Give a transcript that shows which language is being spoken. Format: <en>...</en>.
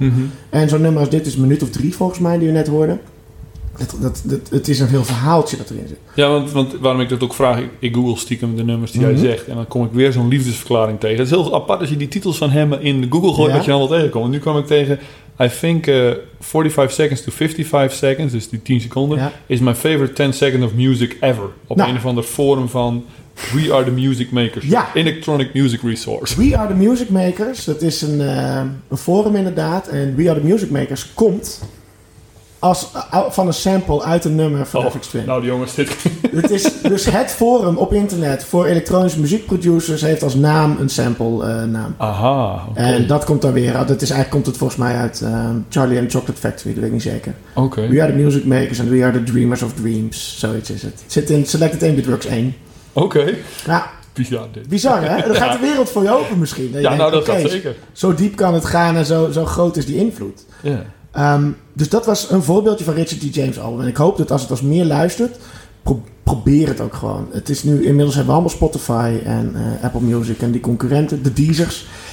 <nl>Mm-hmm. En zo'n nummer als dit is 1 minuut of 3 volgens mij die we net hoorden. Het is een heel verhaaltje dat erin zit. Ja, want waarom ik dat ook vraag. Ik google stiekem de nummers die jij zegt. En dan kom ik weer zo'n liefdesverklaring tegen. Het is heel apart als je die titels van hem in Google gooit. Ja. Wat je allemaal tegenkomt. En nu kwam ik tegen...</nl> <en>I think 45 seconds to 55 seconds,</en> <nl>dus die 10 seconden,</nl> <en>is my favorite 10 seconds of music ever.</en> <nl>Op een of andere forum van We Are The Music Makers, Electronic Music Resource. We Are The Music Makers, dat is een forum inderdaad. En We Are The Music Makers komt als van een sample uit een nummer van FX Twin. Nou, die jongens, dit... Het is dus het forum op internet voor elektronische muziekproducers heeft als naam een sample naam. Aha. Okay. En dat komt dan weer. Dat is eigenlijk komt het volgens mij uit Charlie and Chocolate Factory. Dat weet ik niet zeker. Oké.</nl> <en>Okay. We Are The Music Makers and We Are The Dreamers of Dreams.</en> <nl>Zoiets is het. Zit in Selected Ambient Works 1. Oké. Okay. Ja. Bizar, hè? Dan gaat de wereld voor je open misschien. Ja, denkt, nou, dat gaat zeker. Zo diep kan het gaan en zo groot is die invloed. Ja. Yeah. Dus dat was een voorbeeldje van Richard D. James' album. En ik hoop dat als het als meer luistert, probeer het ook gewoon. Het is nu, inmiddels hebben we allemaal Spotify en Apple Music en die concurrenten, de Deezers.</nl>